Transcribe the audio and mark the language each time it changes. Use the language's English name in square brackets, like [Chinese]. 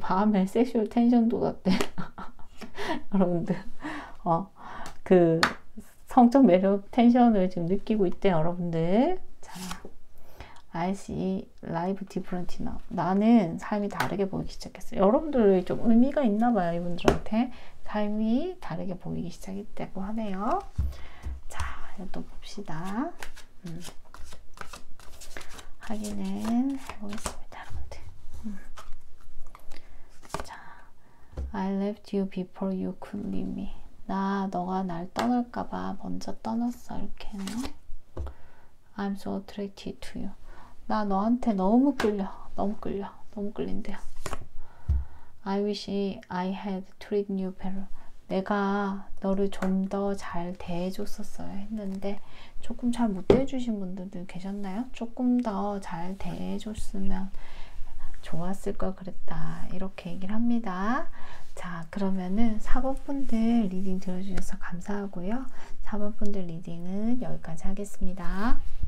[Korean] 밤에 [English] sexual tension [Korean] 돋았대. 여러분들. 성적 매력 텐션을 지금 느끼고 있대, 여러분들. [English] 자, I see life different now. [Korean] 나는 삶이 다르게 보이기 시작했어요. 여러분들이 좀 의미가 있나 봐요, 이분들한테. 자, 삶이 다르게 보이기 시작했다고 하네요. 자, 또 봅시다. 확인을 해보겠습니다, 여러분들. [English] I left you before you could leave me. [Korean] 나, 너가 날 떠날까봐 먼저 떠났어. 이렇게 했네. [English] I'm so attracted to you. [Korean] 나 너한테 너무 끌려. 너무 끌려. 너무 끌린대요. [English] I wish I had treated you better. [Korean] 내가 너를 좀 더 잘 대해줬었어요. 했는데, 조금 잘 못 대해주신 분들도 계셨나요? 조금 더 잘 대해줬으면 좋았을 걸 그랬다. 이렇게 얘기를 합니다. 자, 그러면은 4번분들 리딩 들어주셔서 감사하고요. 4번분들 리딩은 여기까지 하겠습니다.